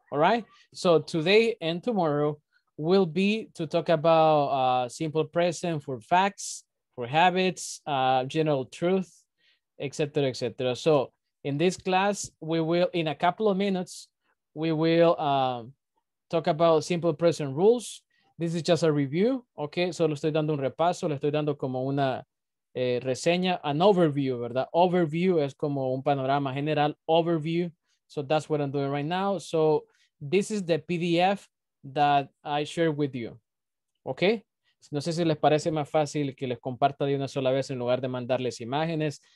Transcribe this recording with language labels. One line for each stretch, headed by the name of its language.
English: All right. So today and tomorrow will be to talk about simple present for facts, for habits, general truth, et cetera, et cetera. So in this class, we will, in a couple of minutes, we will talk about simple present rules. This is just a review. Okay.
Spanish: So le estoy dando un repaso, le estoy dando como una reseña,
English: an overview,
Spanish: ¿verdad?
English: Overview
Spanish: es como un panorama general,
English: overview. So that's what I'm doing right now. So this is the PDF that I share with you. Okay.
Spanish: No sé si les parece más fácil que les comparta de una sola vez en lugar de mandarles imágenes.